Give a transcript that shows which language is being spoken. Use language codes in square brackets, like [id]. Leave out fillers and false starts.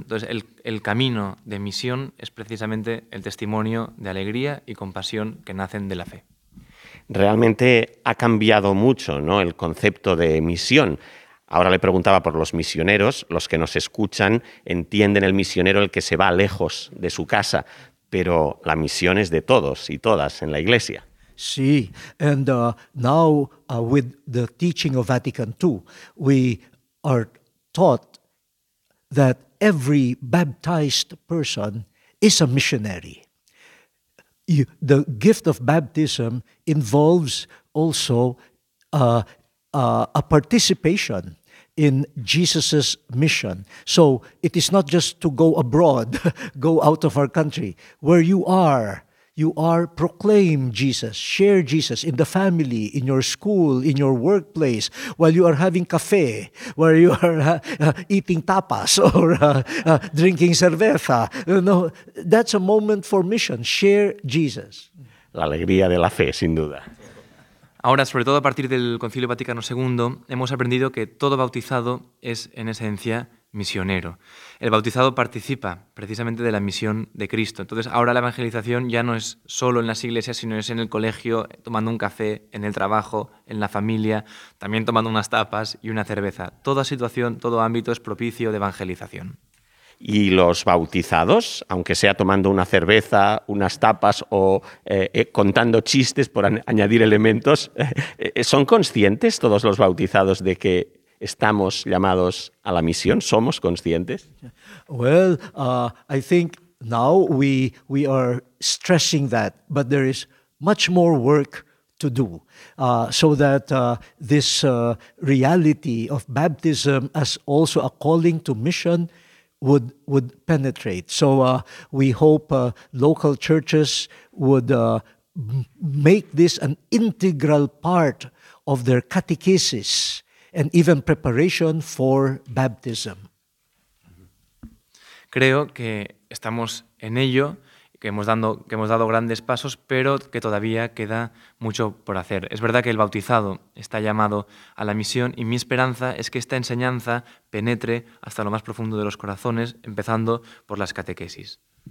[es] Entonces, el camino de misión es precisamente el testimonio de alegría y compasión que nacen de la fe. Realmente ha cambiado mucho, ¿no?, el concepto de misión. Ahora le preguntaba por los misioneros, los que nos escuchan entienden el misionero el que se va lejos de su casa, pero la misión es de todos y todas en la Iglesia. [en] Sí, and now with the teaching of Vatican II, we are taught that every baptized person is a missionary. The gift of baptism involves also a participation in Jesus's mission. So it is not just to go abroad, go out of our country. Where you are, You are proclaim Jesus, share Jesus in the family, in your school, in your workplace, while you are having cafe, where you are eating tapas or drinking cerveza. You know, that's a moment for mission. Share Jesus. [es] La alegría de la fe, sin duda. Ahora, sobre todo a partir del Concilio Vaticano II, hemos aprendido que todo bautizado es, en esencia, misionero. El bautizado participa precisamente de la misión de Cristo. Entonces, ahora la evangelización ya no es solo en las iglesias, sino es en el colegio, tomando un café, en el trabajo, en la familia, también tomando unas tapas y una cerveza. Toda situación, todo ámbito es propicio de evangelización. ¿Y los bautizados, aunque sea tomando una cerveza, unas tapas o contando chistes por añadir elementos, son conscientes todos los bautizados de que estamos llamados a la misión? ¿Somos conscientes? [en] Well, I think now we are stressing that, but there is much more work to do so that this reality of baptism as also a calling to mission would penetrate. So we hope local churches would make this an integral part of their catechesis and even preparation for baptism. [es] Creo que estamos en ello, que hemos dado grandes pasos, pero que todavía queda mucho por hacer. Es verdad que el bautizado está llamado a la misión y mi esperanza es que esta enseñanza penetre hasta lo más profundo de los corazones, empezando por las catequesis.